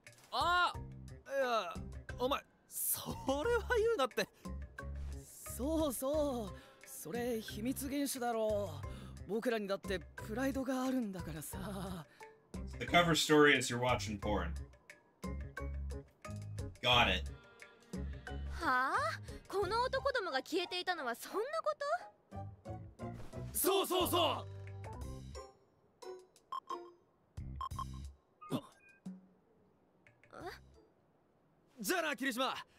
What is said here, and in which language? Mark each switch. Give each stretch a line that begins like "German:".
Japanese: あ、いや、お前、それは言うなって。そうそう、そそれ秘密厳守だろう。僕らにだってプライドがあるんだからさ。
English: So the cover story is you're watching porn. Got it.
Japanese: はあ？この男どもが消えていたのはそんなこと？そうそうそう。じゃあな、霧島。